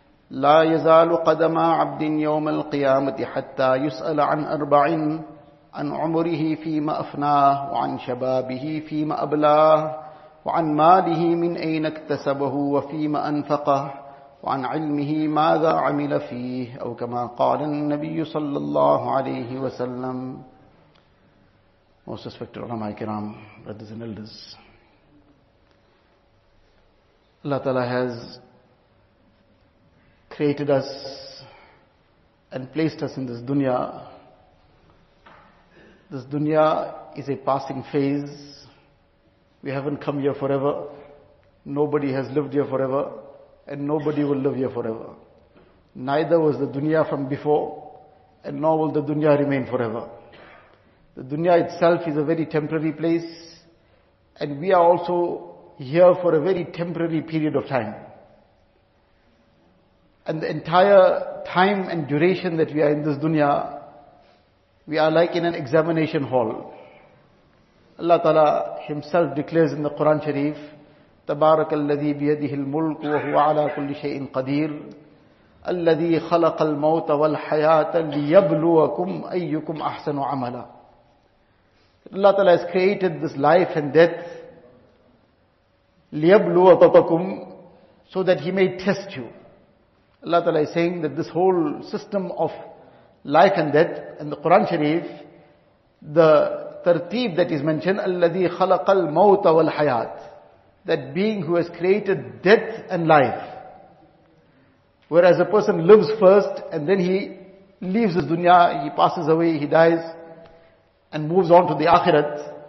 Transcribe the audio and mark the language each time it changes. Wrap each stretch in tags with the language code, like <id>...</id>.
<ar>لا يزال قدم عبد يوم القيامة حتى يسأل عن أربع عن عمره فيما أفناه وعن شبابه فيما أبلاه وعن ماله من أين اكتسبه وفيما أنفقه وعن علمه ماذا عمل فيه أو كما قال النبي صلى الله عليه وسلم.</ar> <en>Most respected ulama ikram, brothers and elders, Allah Ta'ala has created us and placed us in this dunya. This dunya is a passing phase. We haven't come here forever. Nobody has lived here forever. And nobody will live here forever. Neither was the dunya from before, and nor will the dunya remain forever. The dunya itself is a very temporary place. And we are also here for a very temporary period of time. And the entire time and duration that we are in this dunya, we are like in an examination hall. Allah Ta'ala Himself declares in the Quran Sharif,</en> <ar>تبارك الذي بيده الملك وهو على كل شيء قدير الذي خلق الموت والحياة ليبلوكم أيكم أحسن عملا.</ar> <en>Allah Ta'ala has created this life and death, ليبلوكم, so that He may test you. Allah Ta'ala is saying that this whole system of life and death, in the Quran Sharif, the tartib that is mentioned,</en> <ar>الذي خلق الموت والحياة,</ar> <en>that being who has created death and life, whereas a person lives first and then he leaves his dunya, he passes away, he dies and moves on to the akhirat.</en>